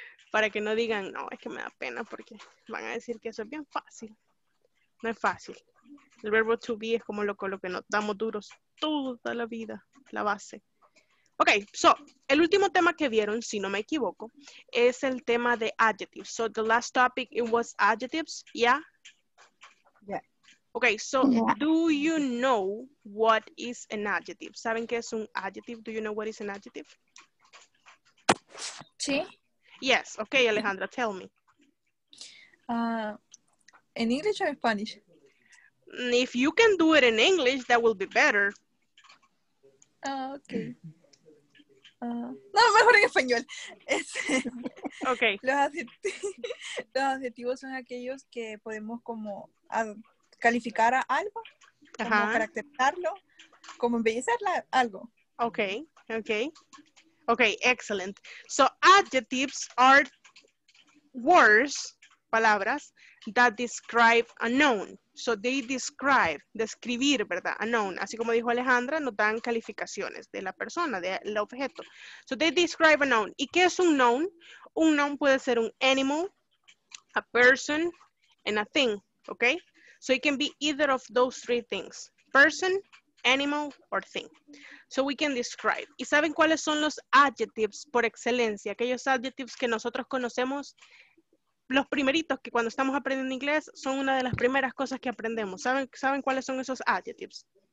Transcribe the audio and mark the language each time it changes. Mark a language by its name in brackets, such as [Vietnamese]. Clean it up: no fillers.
[Spanish] Para que no digan, no, es que me da pena porque van a decir que eso es bien fácil. No es fácil. El verbo to be es como lo que nos damos duros toda la vida, la base. Ok, so, el último tema que vieron, si no me equivoco, es el tema de adjectives. [English] So, the last topic, it was adjectives, yeah? Yeah. Ok, so, yeah. Do you know what is an adjective? [Spanish] ¿Saben qué es un adjective? [English] Do you know what is an adjective? [Spanish] Sí. [English] Yes, ok, Alejandra, tell me. In English or in Spanish? If you can do it in English, that will be better. [Spanish] Ok. No, mejor en español. [English] Okay. [Spanish] Los adjetivos son aquellos que podemos como calificar a algo, como caracterizarlo, como embellecer algo. [English] Okay, excellent. So, adjectives are words, palabras, that describe a noun. So, they describe, [Spanish] describir, ¿verdad? [English] A noun. [Spanish] Así como dijo Alejandra, nos dan calificaciones de la persona, del objeto. [English] So, they describe a noun. [Spanish] ¿Y qué es un noun? Un noun puede ser un animal, [English] a person, and a thing, [Spanish] ¿ok? [English] So, it can be either of those three things. Person, animal, or thing. So, we can describe. [Spanish] ¿Y saben cuáles son los adjectives por excelencia? Aquellos adjectives que nosotros conocemos... Los primeritos que cuando estamos aprendiendo inglés son una de las primeras cosas que aprendemos. ¿Saben cuáles son esos adjectives?